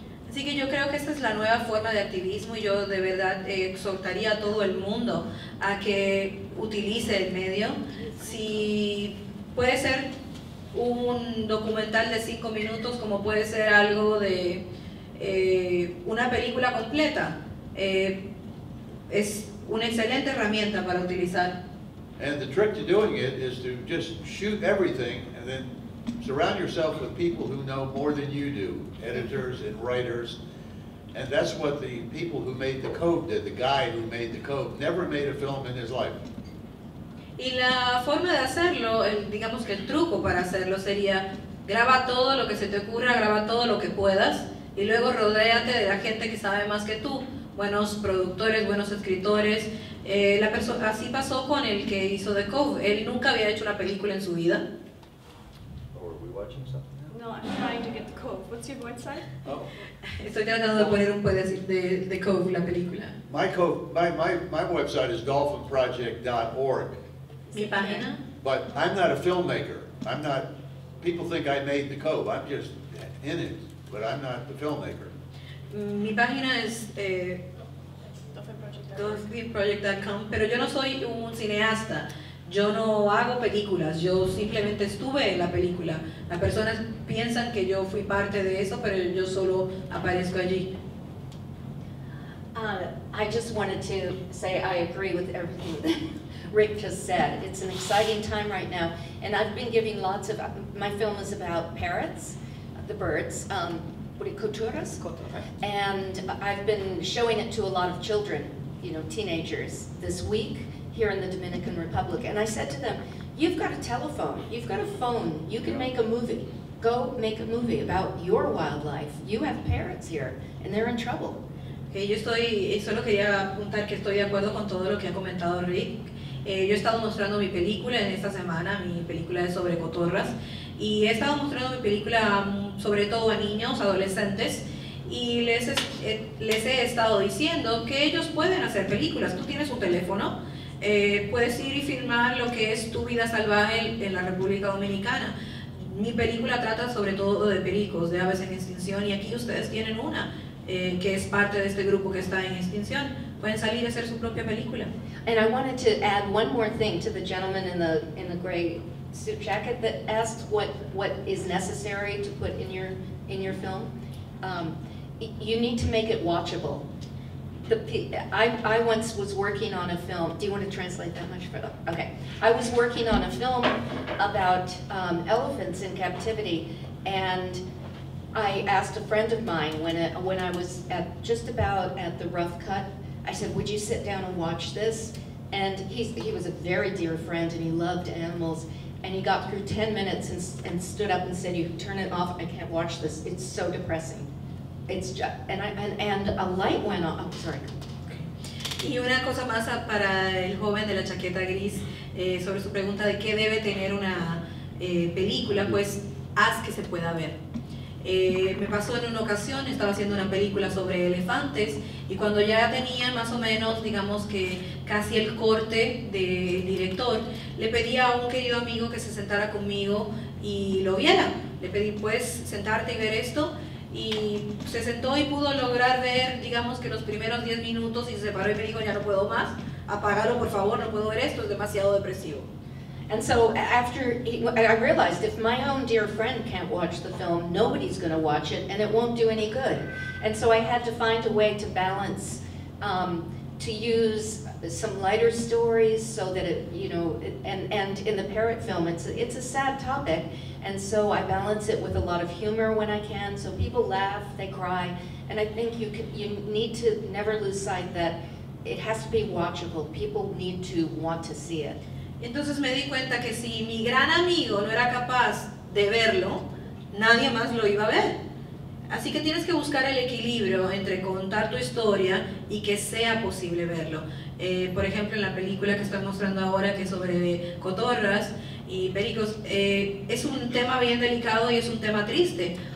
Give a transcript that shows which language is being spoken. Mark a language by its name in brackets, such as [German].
[Spanish] Así que yo creo que esta es la nueva forma de activismo, y yo de verdad exhortaría a todo el mundo a que utilice el medio. Si puede ser un documental de 5 minutos, como puede ser algo de una película completa, es una excelente herramienta para utilizar. [English] And the trick to doing it is to just shoot everything and then surround yourself with people who know more than you do, editors and writers. And that's what the people who made The Cove did. The guy who made The Cove never made a film in his life. [Spanish] Y la forma de hacerlo, digamos que el truco para hacerlo sería, graba todo lo que se te ocurra, graba todo lo que puedas, y luego rodéate de la gente que sabe más que tú, buenos productores, buenos escritores. Así pasó con el que hizo The Cove. Él nunca había hecho una película en su vida. [English] No, I'm trying to get The Cove. What's your website? [Spanish] Estoy tratando de poner un poco de The Cove, la película. [English] My website is dolphinproject.org. [Spanish] Mi página. [English] But I'm not a filmmaker. People think I made The Cove. I'm just in it. but I'm not the filmmaker. [Spanish] Mi página es dofilmproject.com, pero yo no soy un cineasta. Yo no hago películas, yo simplemente estuve en la película. Las personas piensan que yo fui parte de eso, pero yo solo aparezco allí. [English] I just wanted to say I agree with everything that Rick just said. It's an exciting time right now, and I've been giving lots of, my film is about parrots, the birds, puricultores, and I've been showing it to a lot of children, you know, teenagers, this week here in the Dominican Republic, and I said to them, you've got a telephone, you've got a phone, you can make a movie. Go make a movie about your wildlife. You have parrots here, and they're in trouble. [Spanish] Okay, yo estoy, solo quería apuntar que estoy de acuerdo con todo lo que ha comentado Rick. Yo he estado mostrando mi película en esta semana, mi película es sobre cotorras, y he estado mostrando mi película sobre todo a niños, adolescentes, y les he estado diciendo que ellos pueden hacer películas. Tú tienes un teléfono, puedes ir y filmar lo que es tu vida salvaje en la República Dominicana. Mi película trata sobre todo de pericos, de aves en extinción, y aquí ustedes tienen una. Que es parte de este grupo que está en extinción, pueden salir a hacer su propia película. [English] And I wanted to add one more thing to the gentleman in the gray suit jacket that asked what is necessary to put in your film. You need to make it watchable. I once was working on a film. Do you want to translate that much further? Okay. I was working on a film about elephants in captivity, and I asked a friend of mine when I was at just about at the rough cut, I said, would you sit down and watch this? And he was a very dear friend and he loved animals. And he got through 10 minutes and stood up and said, you turn it off, I can't watch this. It's so depressing. It's just, and a light went off. I'm sorry. [Spanish] Y una cosa más para el joven de la chaqueta gris, sobre su pregunta de qué debe tener una película, pues haz que se pueda ver. Me pasó en una ocasión, estaba haciendo una película sobre elefantes y cuando ya tenía más o menos, digamos que casi el corte del director, le pedí a un querido amigo que se sentara conmigo y lo viera. Le pedí, pues, sentarte y ver esto, y se sentó y pudo lograr ver, digamos que los primeros 10 minutos, y se paró y me dijo, ya no puedo más, apágalo por favor, no puedo ver esto, es demasiado depresivo. [English] And so after I realized if my own dear friend can't watch the film, nobody's going to watch it and it won't do any good. And so I had to find a way to balance, to use some lighter stories so that it, you know, and in the parrot film, it's a sad topic. And so I balance it with a lot of humor when I can. So people laugh, they cry. And I think you need to never lose sight that it has to be watchable. People need to want to see it. [Spanish] Entonces me di cuenta que si mi gran amigo no era capaz de verlo, nadie más lo iba a ver. Así que tienes que buscar el equilibrio entre contar tu historia y que sea posible verlo. Por ejemplo, en la película que estoy mostrando ahora, que es sobre cotorras y pericos, es un tema bien delicado y es un tema triste.